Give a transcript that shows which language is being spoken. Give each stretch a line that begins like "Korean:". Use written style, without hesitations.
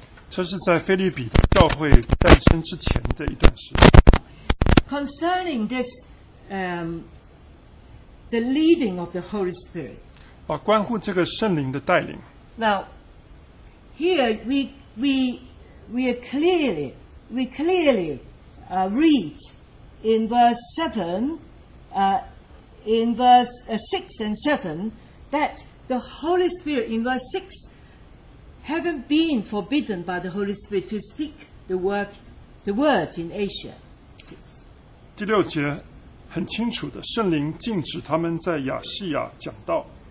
Chinese: 这是在腓立比教会诞生之前的一段时间。
English: Concerning this, the leading of the Holy Spirit.
Chinese: 啊，关乎这个圣灵的带领。
English: Now, here we clearly read in verse 7, in verse 6 and 7, that the Holy Spirit in verse 6 haven't been forbidden by the Holy Spirit to speak the words in Asia.
Chinese: 第六节很清楚的，圣灵禁止他们在亚细亚讲道。